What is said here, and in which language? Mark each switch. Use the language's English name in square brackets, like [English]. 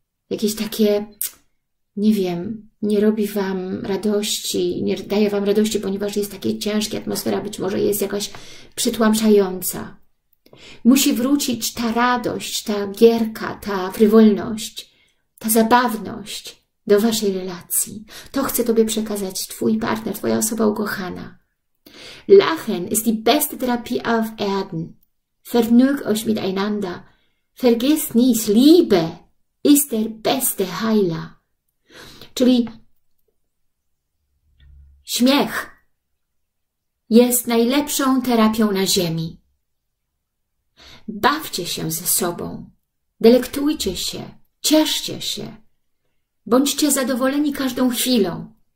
[Polish] Jakieś takie, nie wiem, nie robi Wam radości, nie daje Wam radości, ponieważ jest takie ciężkie, atmosfera być może jest jakaś przytłamszająca. Musi wrócić ta radość, ta gierka, ta frywolność, ta zabawność do Waszej relacji. To chce Tobie przekazać Twój partner, Twoja osoba ukochana. [German] Lachen ist die beste Therapie auf Erden. Vergnügt euch miteinander. Vergesst nicht, Liebe ist der beste Heiler. [Polish] Czyli śmiech jest najlepszą terapią na ziemi. Bawcie się ze sobą. Delektujcie się. Cieszcie się. Bądźcie zadowoleni każdą chwilą.